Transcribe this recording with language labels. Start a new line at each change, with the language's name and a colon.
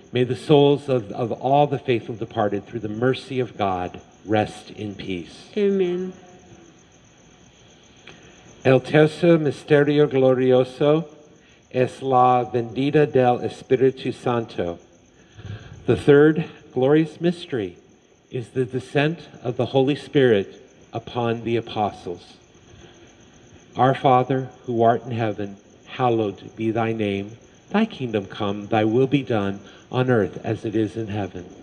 English: May the souls of all the faithful departed, through the mercy of God, rest in peace. Amen.
Spanish: El tercer misterio glorioso es la venida del Espíritu Santo.
English: The third glorious mystery is the descent of the Holy Spirit upon the apostles. Our Father, who art in heaven, hallowed be thy name. Thy kingdom come, thy will be done, on earth as it is in heaven.